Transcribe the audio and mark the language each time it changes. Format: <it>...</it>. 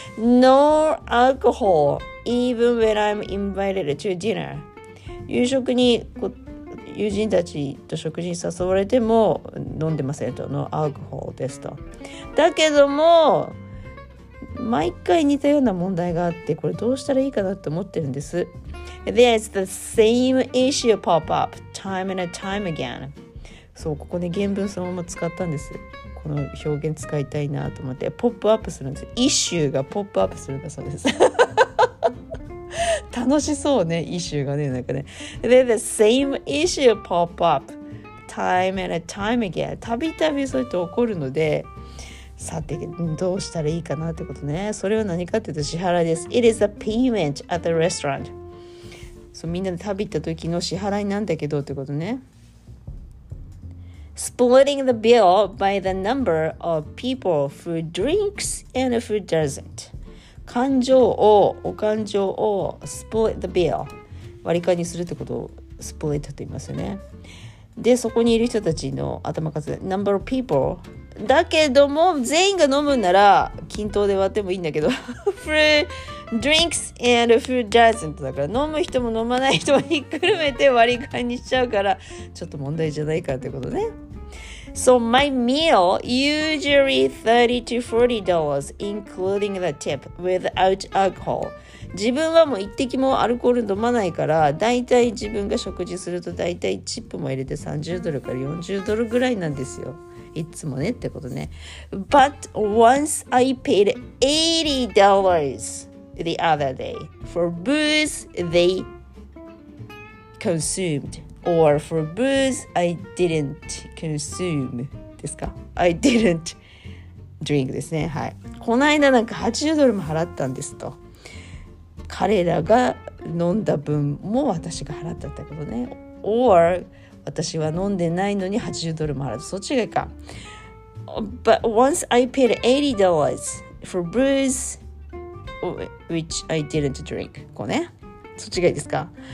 <en>No alcohol even when I'm invited to dinner。</en> <ja>夕食に友人たちと食事に誘われても飲んでませんと。</ja> <en>No alcohol</en> <ja>ですと。だけども毎回似たような問題があって、これどうしたらいいかなと思ってるんです。</ja> <en>There's the same issue pop up time and time again。</en> <ja>そう、ここね、原文そのまま使ったんです。この表現使いたいなと思って、ポップアップするんです。イシューがポップアップするんだそうです楽しそうね、イシューがね、なんかね。</ja> <en>There's the same issue pop up time and time again。</en> <ja>たびたびそういうと起こるので、さて、どうしたらいいかなってことね。それは何かっていうと支払いです。</ja> <en>It is a payment at the restaurant。</en> <ja>そう、みんなで旅行った時の支払いなんだけどってことね。</ja> <en>Splitting the bill by the number of people who drinks and who doesn't。</en> <ja>感情を、お感情を</ja> <en>split the bill、</en> <ja>割り勘にするってことを split と言いますよね。で、そこにいる人たちの頭数、</ja> <en>number of people、</en> <ja>だけども全員が飲むなら均等で割ってもいいんだけど</ja> <en>for drinks and who doesn't、</en> <ja>だから飲む人も飲まない人もひっくるめて割り勘にしちゃうから、ちょっと問題じゃないかってことね。</ja> <en>So my meal usually $30 to $40 including the tip without alcohol。</en> <ja>自分はもう一滴もアルコール飲まないから、だいたい自分が食事するとだいたいチップも入れて30ドルから40ドルぐらいなんですよ、いつもねってことね。</ja> <en>But once I paid $80 the other day for booze they consumed or for booze I didn't consume</en> <ja>ですか、</ja> <en>I didn't drink</en> <ja>ですね。はい、この間なんか80ドルも払ったんですと、彼らが飲んだ分も私が払ったってことね。 or私は飲んでないのに80ドルも払う、そっちがいいか。</ja> <en>But once I paid $80 for booze which I didn't drink、</en> <ja>こうね、そっちがいいですか。</ja>